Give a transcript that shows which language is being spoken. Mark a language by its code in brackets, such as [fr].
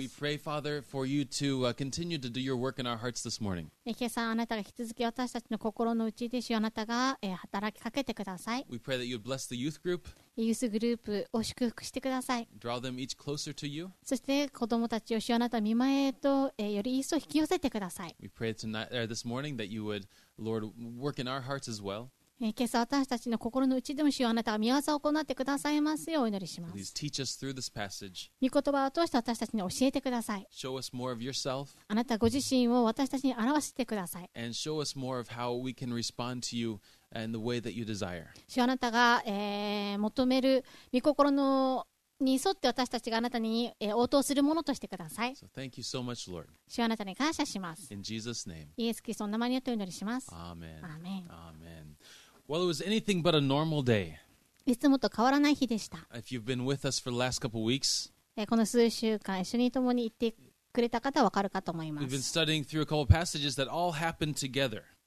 [en] We pray, Father, for you to continue to do your work in our hearts this morning. [ja] 今朝、あなたが引き続き私たちの心の内で主よ、あなたが働きかけてください。 [en] We pray that you'd bless the youth group. [ja] ユースグループを祝福してください。 [en] Draw them each closer to you. [ja] そして子供たちを主あなた御前へと、より一層引き寄せてください。 [en] We pray tonight, or this morning that you would, Lord, work in our hearts as well. [ja] 今朝私たちの心の内でも主あなたが御業を行ってくださいますようお祈りします。 [en] Please teach us through this passage. [ja] 御言葉を通して私たちに教えてください。 [en] Show us more of yourself. [ja] あなたご自身を私たちに表してください。 [en] And show us more of how we can respond to you. And the way that you desire. [ja] 主あなたが、求める御心のに沿って私たちがあなたに、応答するものとしてください。 [en] So thank you so much, Lord. [ja] 主あなたに感謝します。 [en] In Jesus' name. [ja] イエス・キリストの名前によってお祈りします。 [en] Amen. Amen. Amen. Well, it was anything but a normal day. [ja] いつもと変わらない日でした。 [en] If you've been with us for the last couple weeks, [ja] この数週間一緒に共に行ってくれた方はわかるかと思います。 [en] We've been studying through a couple passages that all happened together.